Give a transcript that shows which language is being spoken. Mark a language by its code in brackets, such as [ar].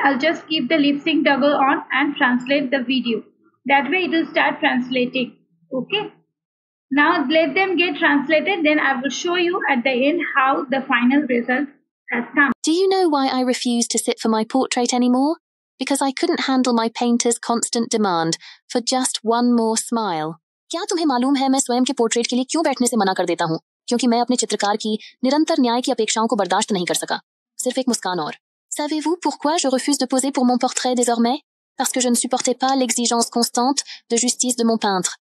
[en] I'll just keep the lip sync toggle on and translate the video. That way it will start translating. Okay, now let them get translated. Then I will show you at the end how the final result has come. Do you know why I refuse to sit for my portrait anymore? Because I couldn't handle my painter's constant demand for just one more smile. [hi] क्या तुम्हें मालूम है मैं स्वयं के portrait के लिए क्यों बैठने से मना कर देता हूँ? क्योंकि मैं अपने चित्रकार की निरंतर न्याय की अपेक्षाओं को बर्दाश्त नहीं कर सका. सिर्फ एक मुस्कान और. [fr] Savez-vous pourquoi je refuse de poser pour mon portrait désormais? Parce que je ne supportais pas l'exigence constante de justice de mon peintre.